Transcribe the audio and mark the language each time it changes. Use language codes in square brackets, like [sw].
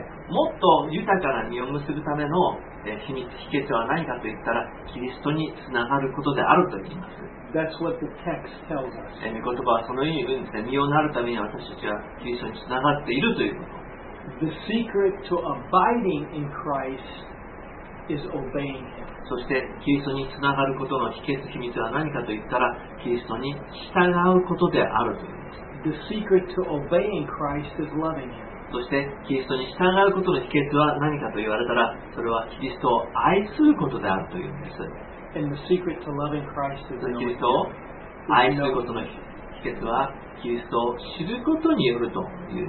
[ja] もっと豊かな実を結ぶための秘密、秘訣は何かといったら、キリストにつながることであると言います。 [en] That's what the text tells us. [ja] 御言葉はそのように言うんですね。実をなるために私たちはキリストにつながっているということ。 [en] The secret to abiding in Christ is obeying Him. [ja] そして、キリストにつながることの秘訣、秘密は何かといったら、キリストに従うことであるというんです。 [en] The secret to obeying Christ is loving Him. [ja] そして、キリストに従うことの秘訣は何かと言われたら、それはキリストを愛することであるというんです。 [en] And the secret to loving Christ is [ja] キリストを愛することの秘訣は、キリストを知ることによるという。